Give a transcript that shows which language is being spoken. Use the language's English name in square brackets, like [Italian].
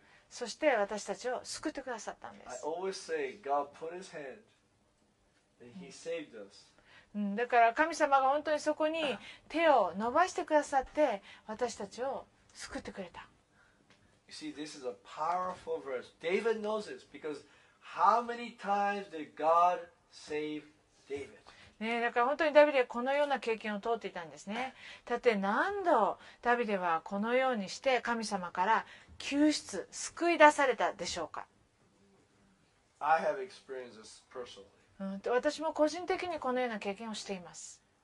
[Japanese] そして私たちを救ってくださったんです。だから神様が本当にそこに手を伸ばしてくださって、私たちを救ってくれた。 [English] You see, this is a powerful verse. David knows this because how many times did God save David? [Japanese] ね、だから本当にダビデはこのような経験を通っていたんですね。だって何度ダビデはこのようにして神様から救出、救い出されたでしょうか。 [English] I have experienced this personally. [Japanese] 私も個人的にこのような経験をしています。